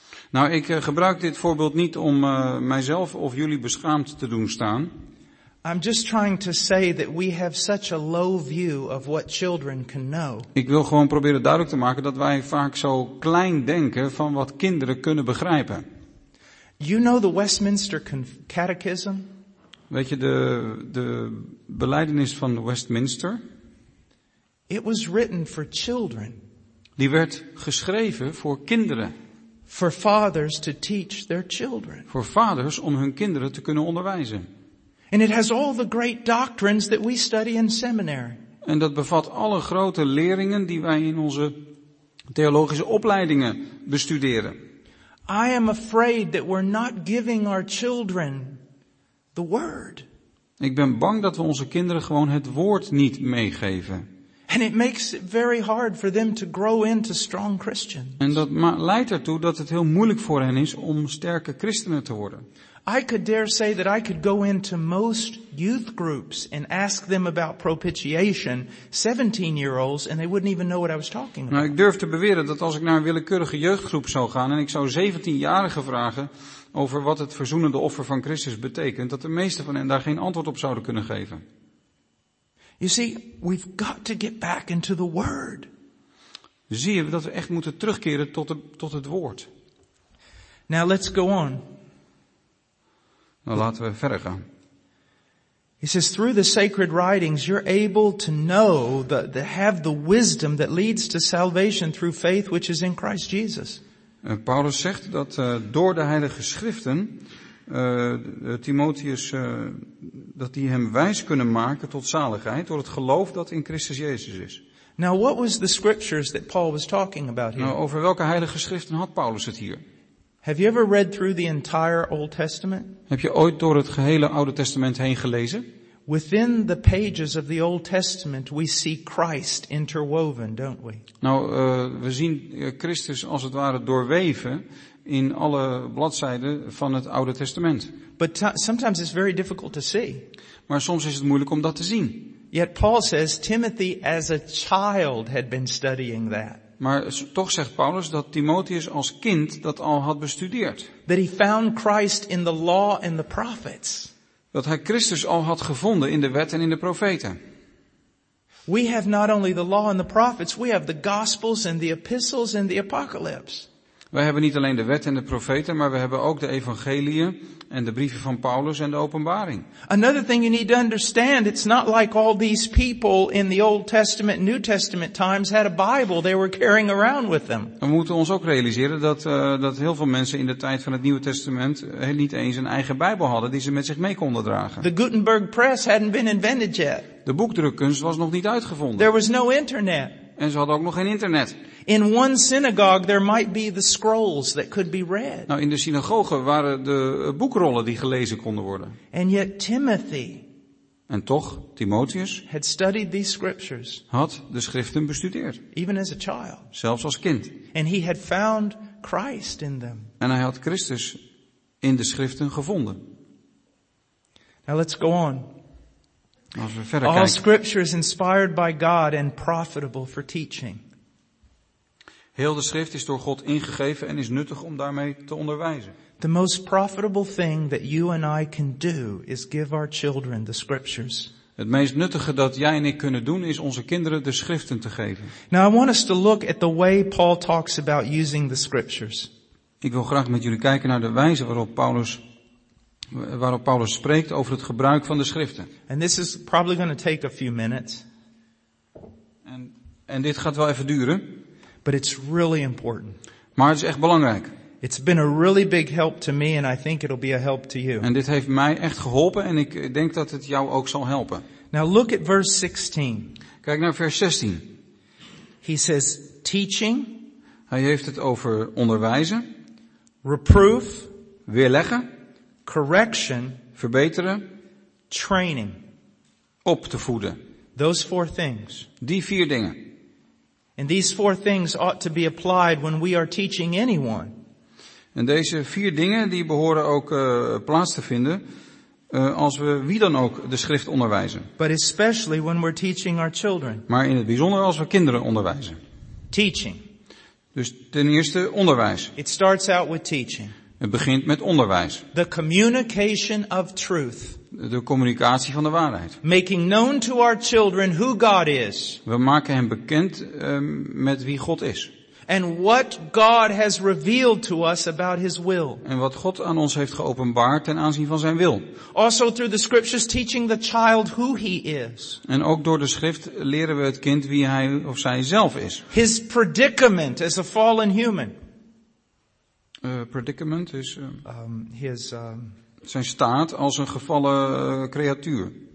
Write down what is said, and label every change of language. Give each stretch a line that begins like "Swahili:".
Dutch: Nou, ik gebruik dit voorbeeld niet om mijzelf of jullie beschaamd te doen staan.
English: I'm just trying to say that we have such a low view of what children can know.
Dutch: Ik wil gewoon proberen duidelijk te maken dat wij vaak zo klein denken van wat kinderen kunnen begrijpen.
English: You know the Westminster Catechism?
Dutch: Weet je de belijdenis van Westminster?
English: It was written for children.
Dutch: Die werd geschreven voor kinderen.
English: For fathers to teach their children.
Dutch: Voor vaders om hun kinderen te kunnen onderwijzen.
English: And it has all the great doctrines that we study in seminary.
Dutch: En dat bevat alle grote leringen die wij in onze theologische opleidingen bestuderen.
English: I am afraid that we're not giving our children the word.
Dutch: Ik ben bang dat we onze kinderen gewoon het woord niet meegeven.
English: And it makes it very hard for them to grow into strong Christians.
Dutch: En dat leidt ertoe dat het heel moeilijk voor hen is om sterke christenen te worden.
English: I could dare say that I could go into most youth groups and ask them about propitiation, 17-year-olds, and they wouldn't even know what I was talking about.
Dutch: Nou, ik durf te beweren dat als ik naar een willekeurige jeugdgroep zou gaan en ik zou 17-jarigen vragen over wat het verzoenende offer van Christus betekent, dat de meeste van hen daar geen antwoord op zouden kunnen geven.
English: You see, we've got to get back into the word.
Dutch: Zie je dat we echt moeten terugkeren tot het woord.
English: Now let's go on.
Dutch: Nou, laten we verder gaan.
English: He says, through the sacred writings, you're able to know the have the wisdom that leads to salvation through faith which is in Christ Jesus.
Dutch: Paulus zegt dat door de heilige schriften Timotheus, dat die hem wijs kunnen maken tot zaligheid door het geloof dat in Christus Jezus is.
English: Now, what was the scriptures that Paul was talking about here?
Dutch: Nou, over welke heilige schriften had Paulus het hier?
English: Have you ever read through the entire Old Testament?
Dutch: Heb je ooit door het gehele Oude Testament heen gelezen?
English: Within the pages of the Old Testament, we see Christ interwoven, don't we?
Dutch: Nou, we zien Christus als het ware doorweven in alle bladzijden van het Oude Testament.
English: But sometimes it's very difficult to see.
Dutch: Maar soms is het moeilijk om dat te zien.
English: Yet Paul says Timothy as a child had been studying that.
Dutch: Maar toch zegt Paulus dat Timotheus als kind dat al had bestudeerd.
English: That he found Christ in the law and the prophets.
Dutch: Dat hij Christus al had gevonden in de wet en in de profeten.
English: We have not only the law and the prophets, we have the gospels and the epistles and the apocalypse.
Dutch: Wij hebben niet alleen de wet en de profeten, maar we hebben ook de evangeliën en de brieven van Paulus en de openbaring.
English: Another thing you need to understand, it's not like all these people in the Old Testament, New Testament times had a Bible they were carrying around with them.
Dutch: We moeten ons ook realiseren dat heel veel mensen in de tijd van het Nieuwe Testament niet eens een eigen Bijbel hadden die ze met zich mee konden dragen.
English: The Gutenberg press hadn't been invented yet.
Dutch: De boekdrukkunst was nog niet uitgevonden.
English: There was no internet.
Dutch: En ze hadden ook nog geen internet.
English: In one synagogue there might be the scrolls that could be read.
Dutch: Nou, in de synagoge waren de boekrollen die gelezen konden worden.
English: And yet Timothy.
Dutch: En toch, Timotheus.
English: Had studied these scriptures.
Dutch: Had de schriften bestudeerd.
English: Even as a child.
Dutch: Zelfs als kind.
English: And he had found Christ in them.
Dutch: En hij had Christus in de schriften gevonden.
English: Now let's go on.
Dutch: Als we verder
English: All
Dutch: kijken.
English: Scripture is inspired by God and profitable for teaching.
Dutch: Heel de schrift is door God ingegeven en is nuttig om daarmee te onderwijzen.
English: The most profitable thing that you and I can do is give our children the scriptures.
Dutch: Het meest nuttige dat jij en ik kunnen doen is onze kinderen de schriften te geven.
English: Now I want us to look at the way Paul talks about using the scriptures.
Dutch: Ik wil graag met jullie kijken naar de wijze waarop Paulus spreekt over het gebruik van de schriften.
English: And this is probably going to take a few minutes.
Dutch: En dit gaat wel even duren.
English: But it's really important.
Dutch: Maar het is echt belangrijk.
English: It's been a really big help to me and I think it'll be a help to you.
Dutch: En dit heeft mij echt geholpen en ik denk dat het jou ook zal helpen.
English: Now look at verse 16.
Dutch: Kijk naar vers 16.
English: He says teaching.
Dutch: Hij heeft het over onderwijzen.
English: Reproof.
Dutch: Weerleggen.
English: Correction.
Dutch: Verbeteren.
English: Training.
Dutch: Op te voeden.
English: Those four things.
Dutch: Die vier dingen.
English: And these four things ought to be applied when we are teaching anyone.
Dutch: En deze vier dingen die behoren ook plaats te vinden als we wie dan ook de schrift onderwijzen.
English: But especially when we're teaching our children.
Dutch: Maar in het bijzonder als we kinderen onderwijzen.
English: Teaching.
Dutch: Dus ten eerste onderwijs.
English: It starts out with teaching.
Dutch: Het begint met onderwijs.
English: The communication of truth.
Dutch: De communicatie van de waarheid.
English: Making known to our children who God is.
Dutch: We maken hen bekend met wie God is.
English: And what God has revealed to us about his will.
Dutch: En wat God aan ons heeft geopenbaard ten aanzien van zijn wil.
English: Also through the scriptures teaching the child who he is.
Dutch: En ook door de schrift leren we het kind wie hij of zij zelf is.
English: His predicament as a fallen human. Predicament is his
Dutch: zijn staat als een gevallen creatuur.